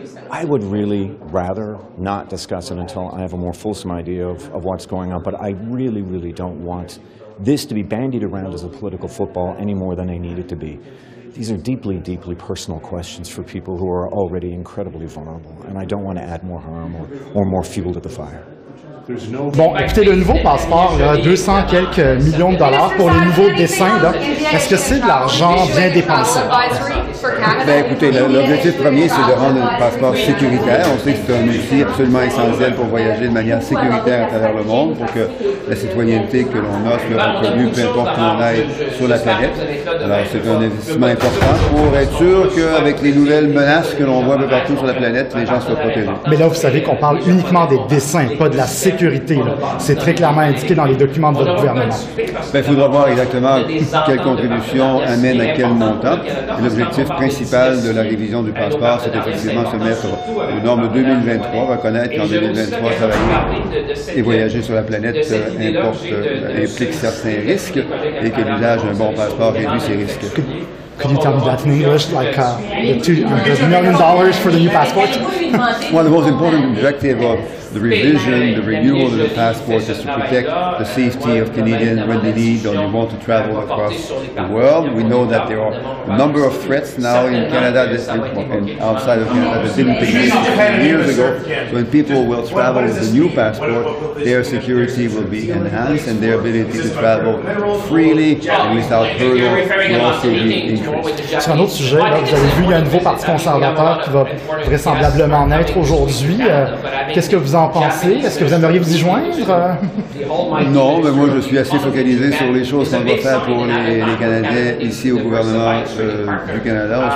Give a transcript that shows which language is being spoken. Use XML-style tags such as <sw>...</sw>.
<en>I would really rather not discuss it until I have a more fulsome idea of what's going on. But I really, really don't want this to be bandied around as a political football any more than I need it to be. These are deeply, deeply personal questions for people who are already incredibly vulnerable, and I don't want to add more harm or more fuel to the fire.</en> <fr>Bon, écoutez, le nouveau passeport, là, 200 quelques millions de dollars pour le nouveau dessin, là. Est-ce que c'est de l'argent bien dépensé? Ben, écoutez, l'objectif premier, c'est de rendre le passeport sécuritaire. On sait que c'est un outil absolument essentiel pour voyager de manière sécuritaire à travers le monde, pour que la citoyenneté que l'on a soit reconnue, peu importe où on aille sur la planète. Alors, c'est un investissement important pour être sûr qu'avec les nouvelles menaces que l'on voit un peu partout sur la planète, les gens soient protégés. Mais là, vous savez qu'on parle uniquement des dessins, pas de la sécurité. Là. C'est très clairement indiqué dans les documents de votre gouvernement. Ben, il faudra voir exactement quelle contribution amène à quel montant. Et l'objectif principal de la révision du passeport, c'est effectivement se mettre aux normes 2023, reconnaître qu'en 2023, travailler et voyager sur la planète implique certains risques et que l'usage d'un bon passeport réduit ces risques.</fr> <en>Could you tell me that in English, $1 million for the new passport? Well, the most important objective of the revision, the renewal of the passport is to protect the safety of Canadians when they need or they want to travel across the world. We know that there are a number of threats now in Canada and outside of Canada that didn't exist years ago. When people will travel with the new passport, their security will be enhanced and their ability to travel freely and without hurdle will also be increased.</en> <fr>Sur un autre sujet, là, vous avez vu, il y a un nouveau parti conservateur qui va vraisemblablement naître aujourd'hui. Qu'est-ce que vous en pensez? Est-ce que vous aimeriez vous y joindre? Non, mais moi je suis assez focalisé sur les choses qu'on doit faire pour les Canadiens ici au gouvernement du Canada.</fr>